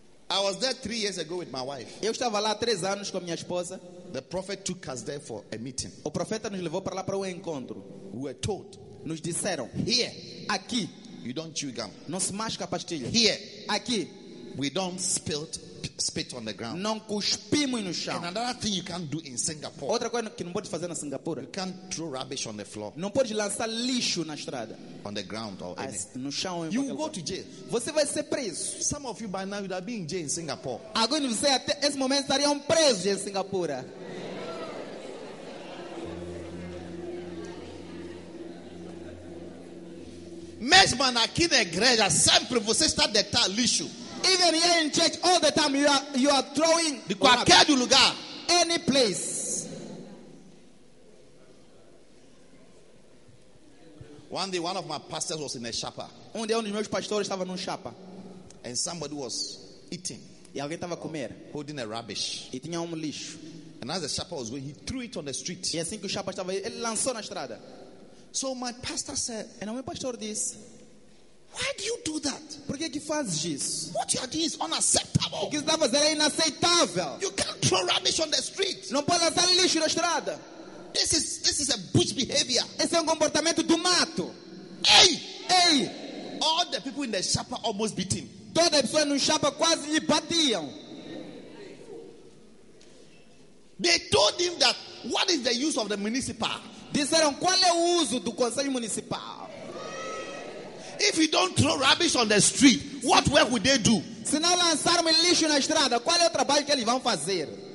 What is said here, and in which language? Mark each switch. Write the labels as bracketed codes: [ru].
[en] I was there 3 years ago with my wife. [pt] Eu estava lá 3 anos com minha esposa. [en] The prophet took us there for a meeting. [pt] O profeta nos levou para lá para um encontro. [en] We were told. [pt] Nos disseram. [en] Here. [pt] Aqui. [en] You don't chew gum. [pt] Não se masca a pastilha. [en] Here. [pt] Aqui. [en] We don't spit on the ground. [pt] Não cuspimos no chão. [en] And another thing you can't do in Singapore. [pt] Outra coisa que não pode fazer na Singapura. [en] You can't throw rubbish on the floor. [pt] Não pode lançar lixo na estrada. [en] On the ground or [pt] no chão. [en] You will go lugar. To jail. [pt] Você vai ser preso. [en] Some of you by now would have been in jail in Singapore. [pt] Alguns de vocês até esse momento estariam presos em Singapura. Mesmo aqui na igreja, sempre você está deitar lixo. [en] Even here in church, all the time you are throwing [pt] de qualquer do lugar, [en] any place. One day, one of my pastors was in a chapa. [pt] Um dia, um dos meus pastores estava num chapa. [en] And somebody was eating. [pt] E alguém estava a comer. [en] Holding a rubbish. [pt] E tinha lixo. [en] And as the chapa was going, he threw it on the street. [pt] E assim que o chapa estava, ele lançou na estrada. [en] So my pastor said, and my pastor disse, why do you do that? [pt] Por que que fazes isso? [en] What you are doing is unacceptable. [pt] Porque está fazendo é inaceitável. [en] You can't throw rubbish on the street. [pt] Não pode lançar lixo na estrada. [en] This is a bush behavior. [pt] Esse é comportamento do mato. Hey! Hey! [en] All the people in the chapa almost beat him. [pt] Toda a pessoa no chapa quase lhe batiam. [en] They told him that what is the use of the municipal? [pt] Disseram qual é o uso do conselho municipal? [en] If you don't throw rubbish on the street, what work would they do? [pt] Se não lançar um lixo na estrada, qual é o trabalho que eles vão fazer?